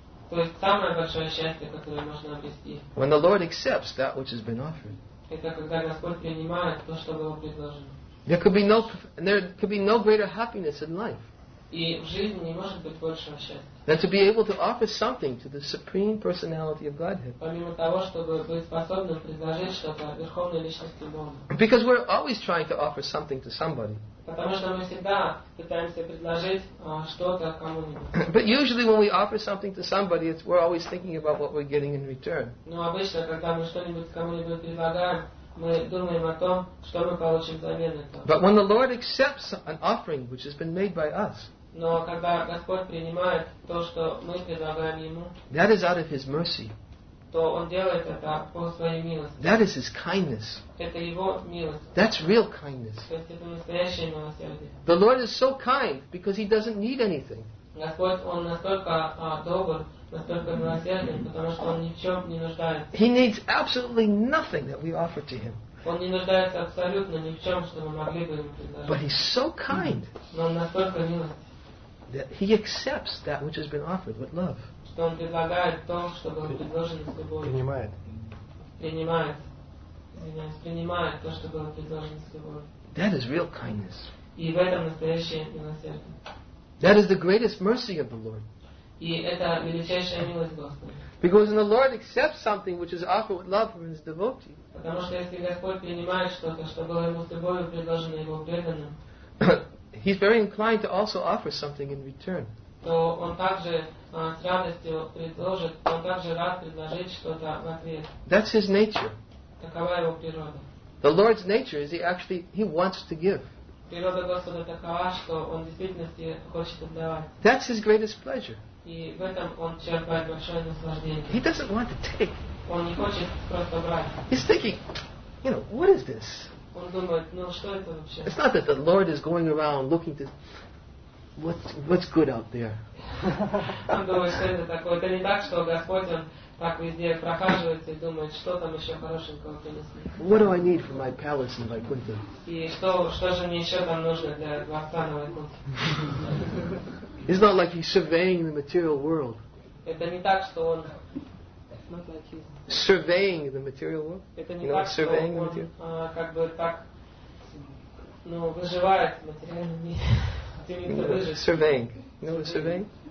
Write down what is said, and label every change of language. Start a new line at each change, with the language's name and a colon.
Russian: То есть самое большое счастье, которое можно обрести.
English: When the Lord accepts that which has been offered.
Russian: Это когда Господь принимает то, что было предложено.
English: There could be no greater happiness in life.
Russian: И в жизни не может быть большего счастья.
English: Than to be able to offer something to the Supreme Personality of Godhead.
Russian: Помимо того, чтобы быть способным предложить что-то Верховной Личности Бога.
English: Because we're always trying to offer something to somebody.
Russian: Потому что мы всегда пытаемся предложить что-то кому-нибудь.
English: But usually when we offer something to somebody, we're always thinking about what we're getting in return.
Russian: Но обычно, когда мы что-нибудь кому-нибудь предлагаем, мы думаем о том, что мы получим взамен это.
English: But when the Lord accepts an offering which has been made by us,
Russian: но когда Господь принимает то, что мы предлагаем ему,
English: that is out of His mercy.
Russian: То Он делает это по Своей милости.
English: That is His kindness.
Russian: Это Его милость.
English: That's real kindness.
Russian: То есть это настоящее милосердие.
English: The Lord is so kind because He doesn't need anything.
Russian: Господь, Он настолько добр, настолько милосерден, потому что Он ни в чем не нуждается.
English: He needs absolutely nothing that we offer to Him.
Russian: Он не нуждается абсолютно ни в чем, что мы могли бы Ему предложить.
English: But He's so kind.
Russian: Но Он настолько милостив.
English: That He accepts that which has been offered with love.
Russian: Что Он предлагает то, что было предложено с любовью. Принимает. Принимает. принимает то, что было предложено сегодня.
English: That is real kindness.
Russian: И в этом настоящее милосердие.
English: That is the greatest mercy of the Lord.
Russian: И это величайшая милость Господа.
English: Because when the Lord accepts something which is offered with love from His devotee,
Russian: потому что если Господь принимает что-то, что было ему с любовью предложено его преданным,
English: He's very inclined to also offer something in return.
Russian: То он также с радостью предложит, он также рад предложить что-то в ответ.
English: That's His nature.
Russian: Такова его природа.
English: The Lord's nature is He wants to give.
Russian: Природа Господа такова, что он в действительности хочет отдавать.
English: That's His greatest pleasure.
Russian: И в этом он черпает большое наслаждение.
English: He doesn't want to take.
Russian: Он не хочет просто брать.
English: He's thinking, what is this?
Russian: Он думает, ну что это вообще?
English: It's not that the Lord is going around looking to what's good out there.
Russian: Он думает, что это такое. Это не так, что Господь он так везде прохаживается и думает, что там еще хорошенького принесли.
English: What do I need for my palace in Vaikuntha?
Russian: И что же мне еще там нужно для дворца на Вайкунте?
English: It's not like he's surveying the material world.
Russian: Это не так, что он
English: surveying the material world.
Russian: Это не так,
English: surveying the
Russian: как бы так, выживает материальный мир.
English: Surveying. Surveying?